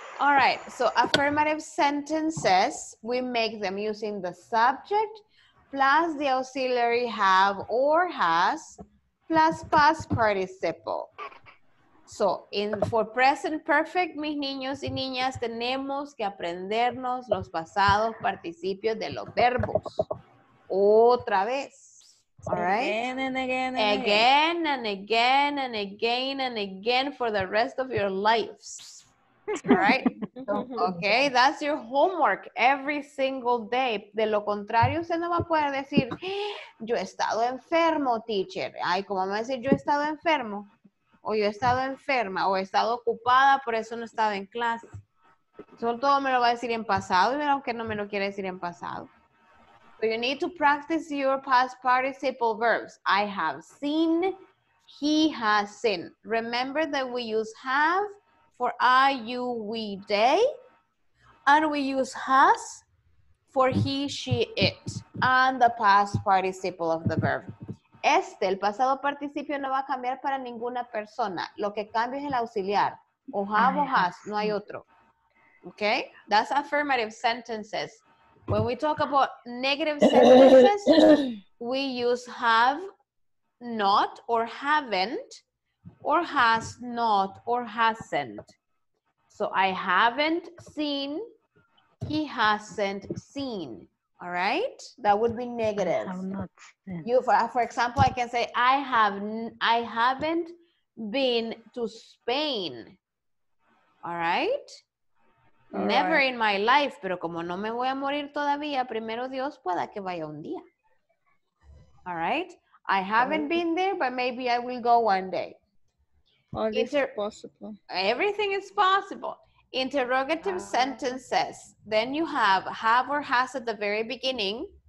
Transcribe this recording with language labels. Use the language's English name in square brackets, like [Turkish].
[English] All right, so affirmative sentences, we make them using the subject plus the auxiliary have or has, plus past participle. So, for present perfect, [Spanish] mis niños y niñas, tenemos que aprendernos los pasados participios de los verbos. Otra vez. [English] All right? Again and again and again. Again and again and again and again for the rest of your lives. All right? Okay, that's your homework every single day. [Spanish] De lo contrario, usted no va a poder decir, yo he estado enfermo, teacher. Ay, ¿cómo me va a decir yo he estado enfermo? O yo he estado enferma, o he estado ocupada, por eso no he estado en clase. Solo todo me lo va a decir en pasado, aunque no me lo quiere decir en pasado. [English] So you need to practice your past participle verbs. I have seen, he has seen. Remember that we use have for I, you, we, they, and we use has for he, she, it, and the past participle of the verb. [Spanish] Este, el pasado participio, no va a cambiar para ninguna persona. Lo que cambia es el auxiliar. O have o has, no hay otro. Okay? [English] That's affirmative sentences. When we talk about negative sentences, we use have, not, or haven't, or has not, or hasn't. So I haven't seen, he hasn't seen. All right? That would be negative. I have not seen. You, for example, I can say, I haven't been to Spain. All right? Never in my life, [Spanish] pero como no me voy a morir todavía, primero Dios pueda que vaya un día. [English] All right? I haven't been there, but maybe I will go one day. All is possible. Everything is possible. Interrogative sentences. Then you have or has at the very beginning.